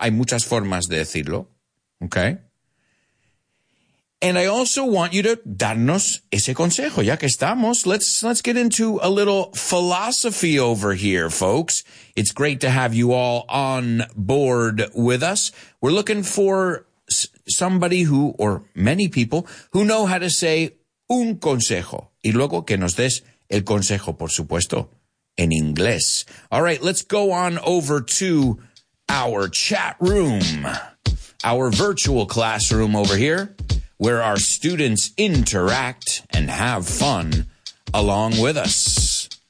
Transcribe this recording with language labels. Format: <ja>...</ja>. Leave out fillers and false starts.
<es>Hay muchas formas de decirlo.</es> <en>Okay. And I also want you to</en> <es>darnos ese consejo, ya que estamos.</es> <en>Let's get into a little philosophy over here, folks. It's great to have you all on board with us. We're looking for somebody who, or many people, who know how to say</en> <es>un consejo. Y luego que nos des el consejo, por supuesto, en inglés.</es> <en>All right, let's go on over to our chat room, our virtual classroom over here, where our students interact and have fun along with us.</en>